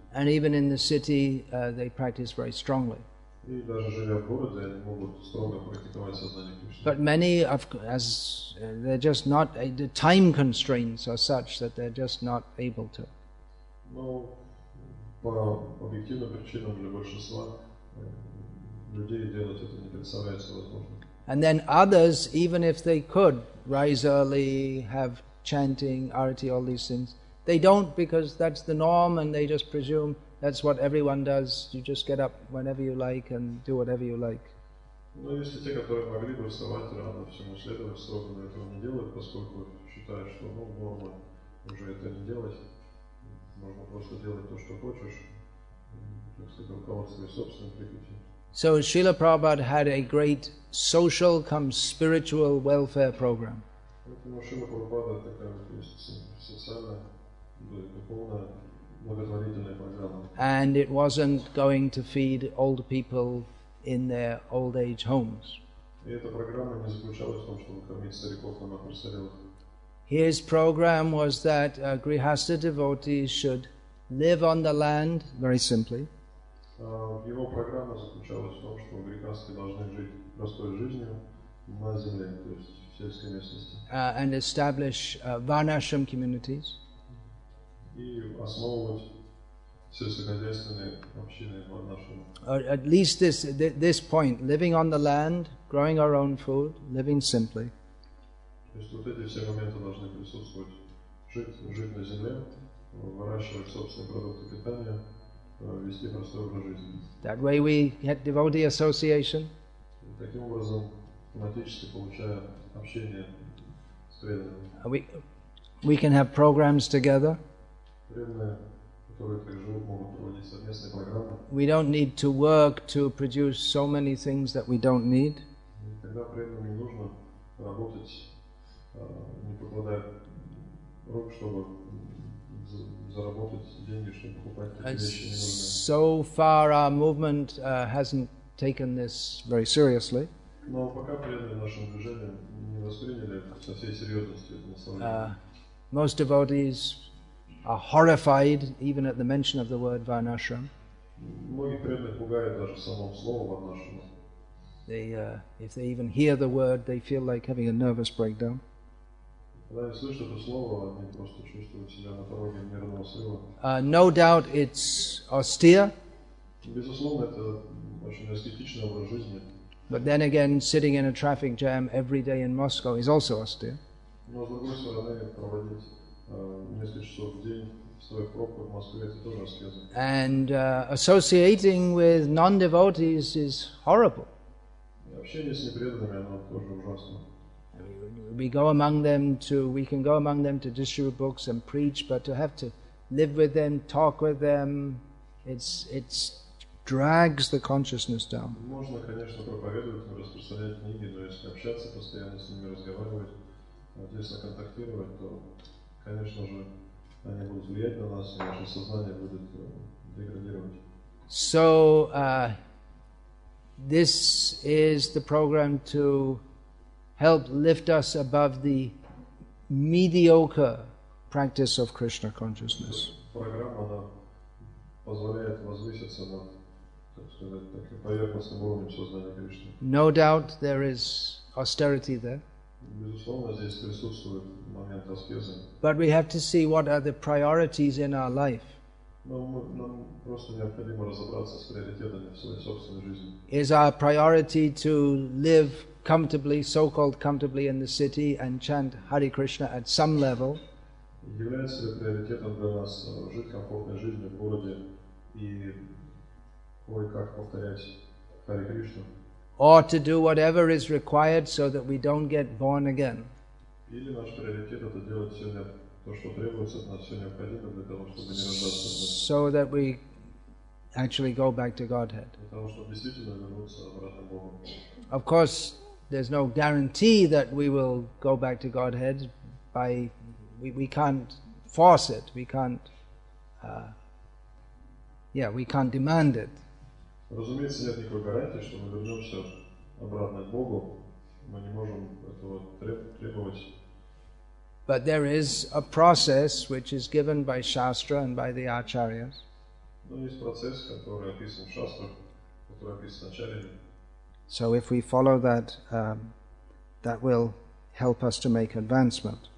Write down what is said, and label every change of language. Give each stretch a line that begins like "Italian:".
English: And even in the city, they practice very strongly.
Russian: И даже живя в городе, они могут строго практиковать сознание Кришны.
English: But many, of, as they're just not, the time constraints are such that they're just not able to.
Russian: Но по объективным причинам для большинства людей делать это не представляется возможным.
English: And then others, even if they could rise early, have chanting, arati, all these things, they don't because that's the norm and they just presume that's what everyone does. You just get up whenever you like and do whatever you like.
Russian: Но если те, которые могли бы вставать рано, всему следовать строго, этого не делают, поскольку считают, что норма уже это не делать. Можно просто делать то, что хочешь, как сказать, руководствуясь собственным прихотью.
English: So Srila Prabhupada had a great social come spiritual welfare program.
Russian: Поэтому Srila Prabhupada такая есть социальная, духовная, благотворительная программа.
English: And it wasn't going to feed old people in their old age homes.
Russian: И эта программа не заключалась в том, чтобы кормить стариков на престарелых.
English: His program was that grihastha devotees should live on the land, very simply.
Russian: Его программа заключалась в том, что грихасты должны жить простой жизнью на земле, то есть в сельской местности.
English: And establish varnashram communities.
Russian: И основывать сельскохозяйственные общины варнашрам.
English: At least this point, living on the land, growing our own food, living simply.
Russian: То есть вот эти все моменты должны присутствовать. Жить на земле, выращивать собственные продукты питания, вести простой образ жизни.
English: That way we get devotee association.
Russian: И таким образом, автоматически получая общение с преданными.
English: We can have programs together.
Russian: Преданные, которые так живут, могут проводить совместные программы.
English: We don't need to work to produce so many things that we don't need.
Russian: И тогда преданным не нужно работать, не покладая рук, чтобы заработать деньги, чтобы покупать такие вещи.
English: So far our movement hasn't taken this very seriously.
Russian: Но пока преданные нашим движением не восприняли со всей серьезностью это наставление.
English: Most devotees are horrified even at the mention of the word varnashram.
Russian: Многие преданные пугают даже само слово варнашрама.
English: They, if they even hear the word, they feel like having a nervous breakdown.
Russian: Когда я слышу это слово, они просто чувствуют себя на пороге нервного срыва.
English: No doubt it's austere.
Russian: Безусловно, это очень аскетичный образ жизни.
English: But then again, sitting in a traffic jam every day in Moscow is also austere.
Russian: Но с другой стороны, проводить несколько часов в день, стоя в пробке в Москве, это тоже аскеза.
English: And associating with non-devotees is horrible.
Russian: Общение с непреданными, оно тоже ужасно.
English: We can go among them to distribute books and preach, but to have to live with them, talk with them, it's drags the consciousness down.
Russian: Можно, конечно, проповедовать, распространять книги, но если общаться постоянно с ними, разговаривать, если контактировать, то, конечно же, они будут влиять на нас, и наше сознание будет деградировать.
English: So, this is the program to help lift us above the mediocre practice of Krishna consciousness.
Russian: Программа позволяет возвыситься на, так сказать, поверхностном уровне сознания Кришны.
English: No doubt there is austerity there.
Russian: Безусловно, здесь присутствует момент аскезы.
English: But we have to see what are the priorities in our life.
Russian: Нам просто необходимо разобраться с приоритетами в своей собственной жизни.
English: Is our priority to live comfortably, so-called comfortably, in the city and chant Hare Krishna at some level?
Russian: Является ли приоритетом для нас жить комфортной жизнью в городе и кое-как повторять Hare Krishna?
English: Or to do whatever is required so that we don't get born again?
Russian: Или наш приоритет это делать все то, что требуется от нас, все необходимо для того, чтобы не рождаться?
English: So that we actually go back to Godhead.
Russian: Для того, чтобы действительно вернуться обратно к Богу.
English: Of course, there's no guarantee that we will go back to Godhead by we can't force it, we can't demand it.
Russian: Разумеется, нет никакой гарантии, что мы вернемся обратно к Богу. Мы не можем этого требовать.
English: But there is a process which is given by Shastra and by the Acharyas.
Russian: Но есть процесс, который описан в Шастрах, который описан Ачарьями.
English: So if we follow that, that will help us to make advancement.